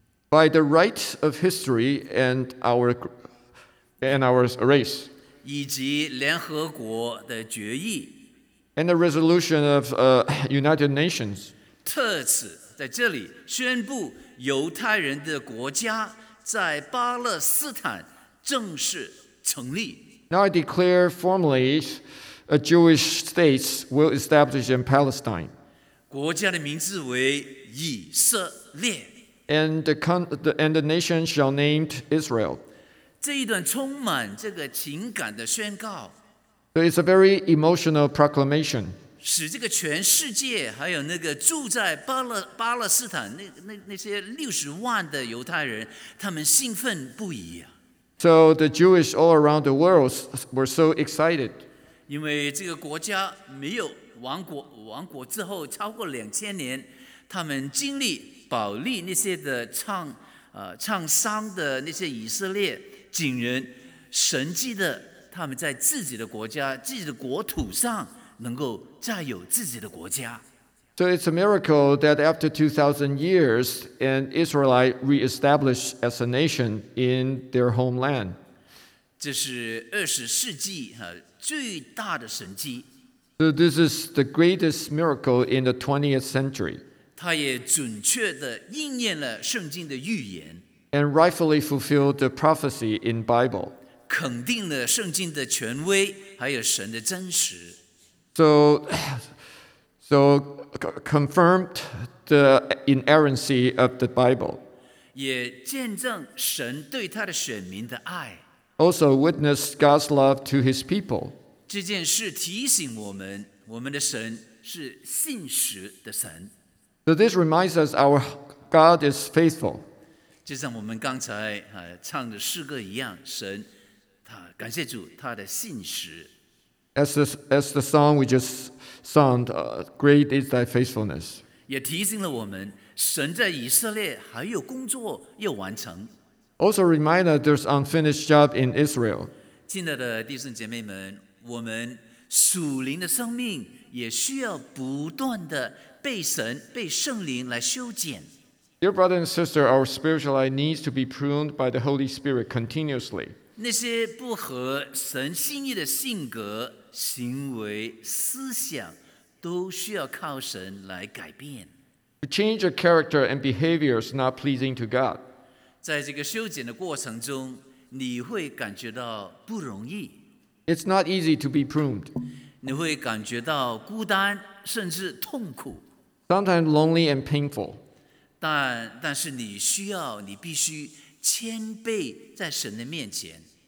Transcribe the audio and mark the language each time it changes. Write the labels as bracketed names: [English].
[English] By the rights of history and our race. [Chinese] 以及联合国的决议。 [English] And the resolution of United Nations. [Chinese] 特此在这里宣布犹太人的国家在巴勒斯坦正式成立。 [English] Now I declare formally a Jewish state will establish in Palestine. [Chinese] 国家的名字为以色列。 [English] And the nation shall named Israel. [Chinese] 这一段充满这个情感的宣告。 [English] It's a very emotional proclamation. [Chinese] 使这个全世界还有那个住在巴勒斯坦 那些60万的犹太人，他们兴奋不已啊。 [English] So the Jewish all around the world were so excited. [Chinese] 因为这个国家没有亡国之后超过2000年，他们经历保利那些的创伤的那些以色列警人，神迹的他们在自己的国家、自己的国土上能够再有自己的国家。 [English] So it's a miracle that after 2,000 years, an Israelite reestablished as a nation in their homeland. [Chinese] 这是20世纪最大的神迹。 [English] So this is the greatest miracle in the 20th century. [Chinese] 它也准确地应验了圣经的预言。 [English] And rightfully fulfilled the prophecy in Bible. [Chinese] 肯定了圣经的权威，还有神的真实。 [English] So confirmed the inerrancy of the Bible. [Chinese] 也见证神对他的选民的爱。 [English] Also witnessed God's love to his people. [Chinese] 这件事提醒我们，我们的神是信实的神。 [English] So this reminds us our God is faithful. [Chinese] 就像我们刚才唱的诗歌一样，神，他感谢主，他的信实。 [English] As the song we just sung, great is thy faithfulness. [Chinese] 也提醒了我们，神在以色列还有工作要完成。 [English] Also remind us there's unfinished job in Israel. [Chinese] 亲爱的弟兄姐妹们，我们属灵的生命也需要不断的被神、被圣灵来修剪。 [English] Dear brother and sister, our spiritual life needs to be pruned by the Holy Spirit continuously. [Chinese] 那些不合神心意的性格、行为、思想，都需要靠神来改变。 [English] To change a character and behaviors not pleasing to God. [Chinese] 在这个修剪的过程中，你会感觉到不容易。 [English] It's not easy to be pruned. [Chinese] 你会感觉到孤单，甚至痛苦。 [English] Sometimes lonely and painful. [Chinese] 但是你需要，你必须谦卑在神的面前。